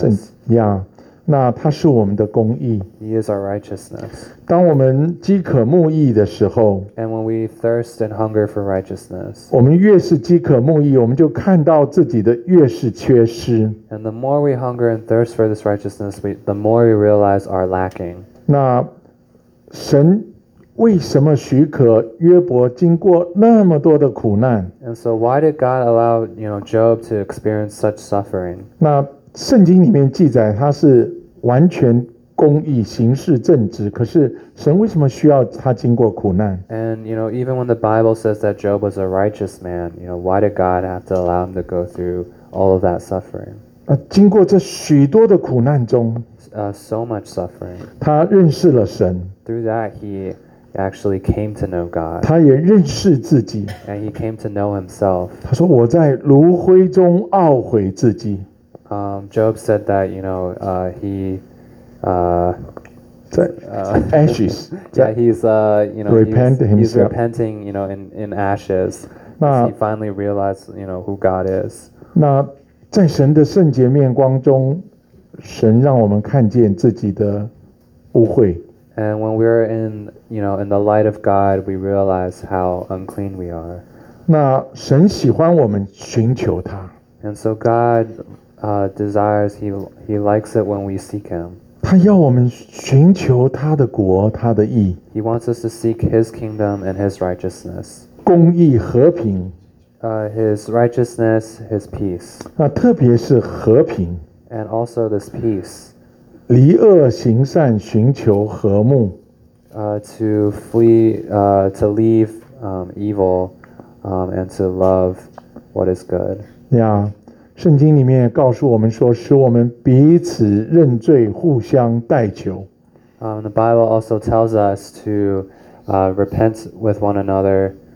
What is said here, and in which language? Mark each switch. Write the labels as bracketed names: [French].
[Chinese] 圣洁 yeah, 那他是我们的公义。 [English] He is our righteousness. [Chinese] 当我们饥渴慕义的时候 [English] And when we thirst and hunger for righteousness. [Chinese] 我们越是饥渴慕义我们就看到自己的越是缺失。 [English] And the more we hunger and thirst for this righteousness, the more we realize our lacking. [Chinese] 那神为什么许可约伯经过那么多的苦难？ [English] And so why did God allow, you know, Job to experience such suffering? [Chinese] 那圣经里面记载他是完全公义行事正直，可是神为什么需要他经过苦难？ [English] And you know, even when the Bible says that Job was a righteous man, you know, why did God have to allow him to go through all of that suffering? [Chinese] 经过这许多的苦难中， [English] so much suffering. [Chinese] 他认识了神。 [English] Through that, he actually came to know God. [Chinese] 他也认识自己。 [English] And he came to know himself. [Chinese] 他说我在炉灰中懊悔自己。 [English] Job said that, you know, he ashes. Yeah, he's you know, repenting himself. He's repenting, you know, in ashes. He finally realized, you know, who God is. [Chinese] 那在神的圣洁面光中，神让我们看见自己的污秽。 [English] And when we're in, you know, in the light of God, we realize how unclean we are. [Chinese] 那神喜欢我们寻求他。 [English] And so God desires, he likes it when we seek him. [Chinese] 他要我们寻求他的国，他的义。 [English] He wants us to seek his kingdom and his righteousness. [Chinese] 公义和平。 [English] His righteousness, his peace. [Chinese] 那特别是和平。 [English] And also this peace. [Chinese] 离恶行善，寻求和睦。 [English] To flee, to leave evil, and to love what is good. [Chinese] Yeah, 圣经里面告诉我们说，使我们彼此认罪，互相代求。 [English] The Bible also tells us to repent with one another.